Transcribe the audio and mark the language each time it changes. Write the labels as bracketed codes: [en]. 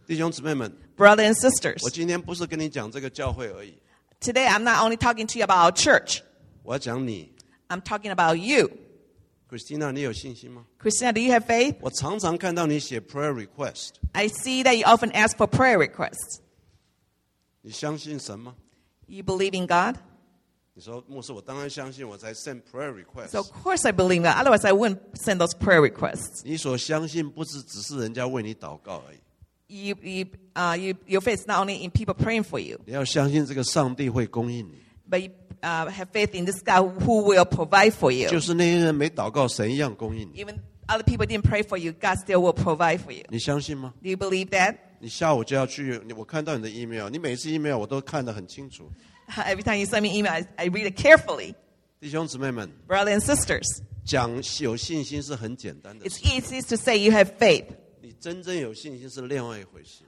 [zh] 弟兄姊妹们, [en] brothers and sisters, [zh] 我今天不是跟你讲这个教会而已。 [en] Today I'm not only talking to you about our church. [zh] 我要讲你。 [en] I'm talking about you. [zh] Christina, 你有信心吗? [en] Christina, do you have faith? [zh] 我常常看到你写 prayer request. [en] I see that you often ask for prayer requests. [zh] 你相信神吗? [en] You believe in God? [zh] 你说, 牧师, 我当然相信, 我才 [en] send prayer requests. So of course I believe in God. Otherwise I wouldn't send those prayer requests. [zh] 你所相信不是只是人家为你祷告而已。 [en] Your faith is not only in people praying for you. [zh] 你要相信这个上帝会供应你。 [en] But you have faith in this God who will provide for you. [zh] 就是那些人没祷告, 神一样供应你。 [en] Even other people didn't pray for you, God still will provide for you. [zh] 你相信吗? [en] Do you believe that? [zh] 你下午就要去, 我看到你的 email, 你每次 email 我都看得很清楚。 [en] Every time you send me email, I read it carefully. [zh] 弟兄姊妹们, [en] brothers and sisters, [zh] 讲有信心是很简单的。 [en] It's easy to say you have faith. [zh] 你真正有信心是另外一回事。